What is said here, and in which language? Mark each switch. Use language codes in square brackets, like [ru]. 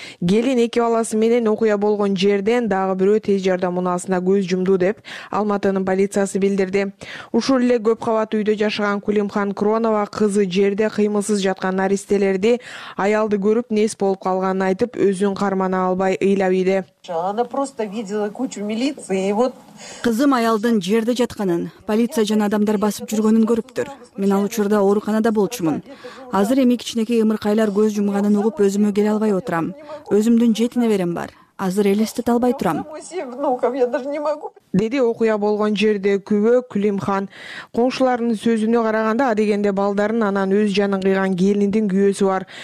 [ky] Келин 2 баласы менен окуя болгон жерден дагы бирөө тез жардам унаасына көз жумду деп Алматынын полициясы билдирди. Ушул эле көп кабаттуу үйдө жашаган Кулимхан Кронова кызы жерде кыймылсыз жаткан наристелерди аялды көрүп нес болуп калганын айтып, өзүн кармана албай ыйлап ийди. [ru] Она просто видела кучу милиции и вот [ky] кызым аялдын жерде жатканын, полиция жана адамдар басып жүргөнүн көрүптүр. Мен ал учурда ооруканада болчумун. Азыр эми кичинекей ымыркайлар көз жумганын угуп өзүмө келе албай отурам. Өзүмдүн жети неберем бар. Азыр элестете албай турам. Деди окуя болгон жерде күбө Күлимхан. Коңшуларынын сөзүнө караганда, адегенде балдарын анан өз жанын кыйган келиндин күйөөсү бар.